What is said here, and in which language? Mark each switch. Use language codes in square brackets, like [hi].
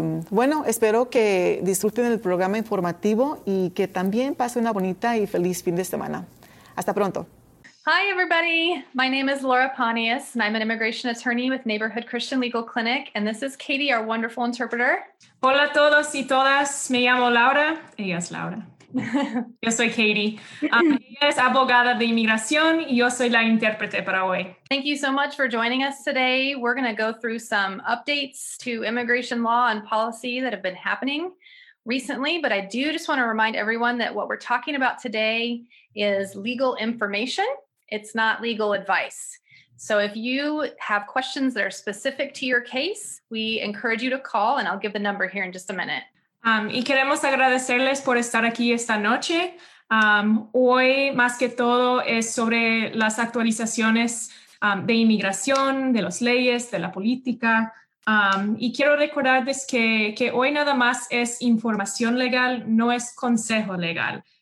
[es] Bueno, espero que disfruten el programa informativo y que también pase una bonita y feliz fin de semana. Hasta pronto. [en] Hi, everybody. My name is Laura Panies, and I'm an immigration attorney with Neighborhood Christian Legal Clinic. And this is Katie, our wonderful interpreter. [es] Hola a todos y todas. Me llamo Laura. Ella es Laura. Yo soy Katie. Ella es abogada de inmigración y yo soy la intérprete para hoy. [en] Thank you so much for joining us today. We're going to go through some updates to immigration law and policy that have been happening recently. But I do just want to remind everyone that what we're talking about today is legal information. It's not legal advice. So if you have questions that are specific to your case, we encourage you to call, and I'll give the number here in just a minute. [es] Y queremos agradecerles por estar aquí esta noche. Hoy, más que todo, es sobre las actualizaciones de inmigración, de las leyes, de la política. Y quiero recordarles que hoy nada más es información legal, no es consejo legal.